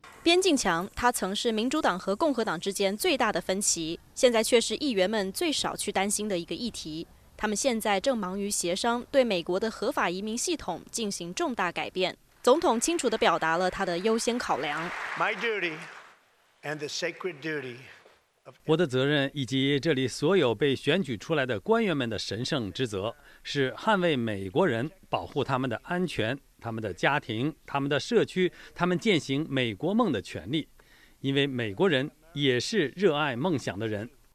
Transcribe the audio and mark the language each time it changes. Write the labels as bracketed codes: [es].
[zh] 边境墙，它曾是民主党和共和党之间最大的分歧，现在却是议员们最少去担心的一个议题。他们现在正忙于协商对美国的合法移民系统进行重大改变。总统清楚地表达了他的优先考量。 [en] My duty and the sacred duty. [zh] 我的责任以及这里所有被选举出来的官员们的神圣职责是捍卫美国人，保护他们的安全、他们的家庭、他们的社区、他们践行美国梦的权利，因为美国人也是热爱梦想的人。